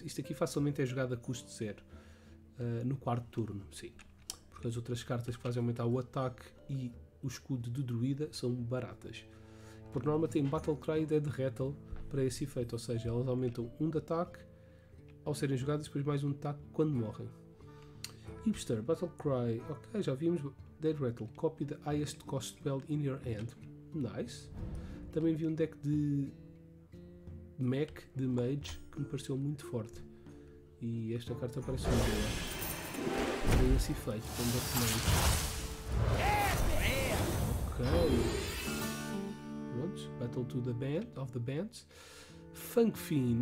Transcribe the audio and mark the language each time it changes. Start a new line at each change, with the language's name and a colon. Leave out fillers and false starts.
Portuguese: Isto aqui facilmente é jogado a custo 0 no quarto turno, sim. Porque as outras cartas que fazem aumentar o ataque e o escudo do druida são baratas. Por norma tem Battle Cry e Dead Rattle para esse efeito, ou seja, elas aumentam 1 de ataque ao serem jogadas e depois mais 1 de ataque quando morrem. Hipster, Battle Cry, ok, já vimos.
English: Dead Rattle, copy the highest cost spell in your hand. Nice.
Portuguese: Também vi um deck de Mac de Mage que me pareceu muito forte e esta carta parece uma boa. Tem esse efeito com Deck Mage.
English: Ok. Pronto. Battle to the Band of the Bands. Funk Fiend.